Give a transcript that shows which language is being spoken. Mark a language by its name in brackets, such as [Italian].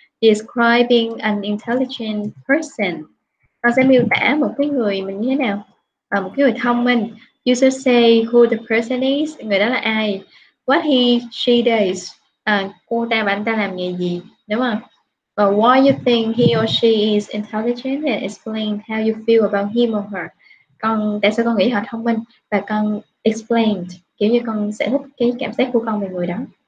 [English] Describing an intelligent person. [Vietnamese] Con sẽ miêu tả một cái người mình như thế nào? Một cái người thông minh. [English] You should say who the person is, [Vietnamese] người đó là ai, [English] what he, she does, [Vietnamese] cô ta và anh ta làm nghề gì, đúng không? [English] But why you think he or she is intelligent and explain how you feel about him or her. [Vietnamese] Con, tại sao con nghĩ họ thông minh, và con explain, kiểu như con sẽ thích cái cảm giác của con về người đó.